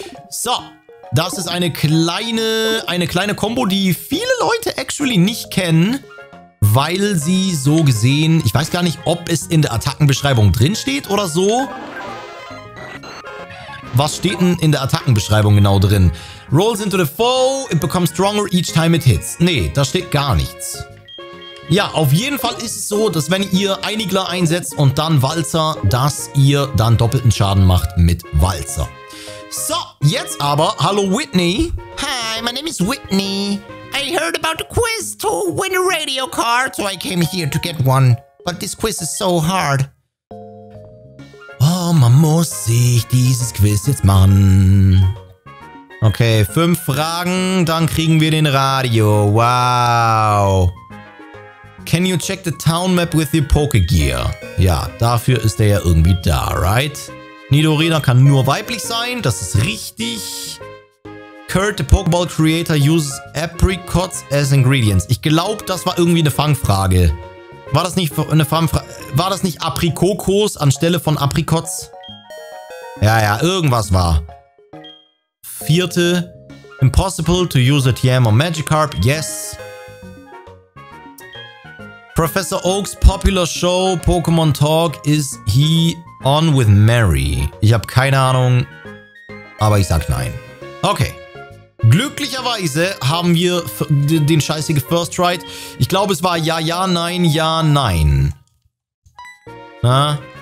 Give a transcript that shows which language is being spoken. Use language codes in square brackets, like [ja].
[de] So, das ist eine kleine Kombo, die viele Leute actually nicht kennen, weil sie so gesehen, ich weiß gar nicht, ob es in der Attackenbeschreibung drinsteht oder so. Was steht denn in der Attackenbeschreibung genau drin? [en] Rolls into the foe, it becomes stronger each time it hits. [de] Nee, da steht gar nichts. Ja, auf jeden Fall ist es so, dass wenn ihr Einigler einsetzt und dann Walzer, dass ihr dann doppelten Schaden macht mit Walzer. So, jetzt aber, hallo Whitney. [en] Hi, my name is Whitney. I heard about the quiz to win a radio card, so I came here to get one. But this quiz is so hard. [de] Oh, man muss sich dieses Quiz jetzt machen. Okay, 5 Fragen, dann kriegen wir den Radio. Wow. [en] Can you check the town map with your Pokegear? [de] Ja, dafür ist er ja irgendwie da, right? Nidorina kann nur weiblich sein, das ist richtig. [en] Kurt, the Pokeball Creator, uses Apricots as Ingredients. [de] Ich glaube, das war irgendwie eine Fangfrage. War das nicht eine Fangfrage? War das nicht Aprikokos anstelle von Apricots? Ja, ja, irgendwas war. 4. [en] Impossible to use a TM or Magikarp. Yes. Professor Oaks popular show Pokémon Talk. Is he on with Mary? [de] Ich habe keine Ahnung, aber ich sag nein. Okay. Glücklicherweise haben wir den scheißigen First Ride. Ich glaube, es war ja, ja, nein, ja, nein. Na?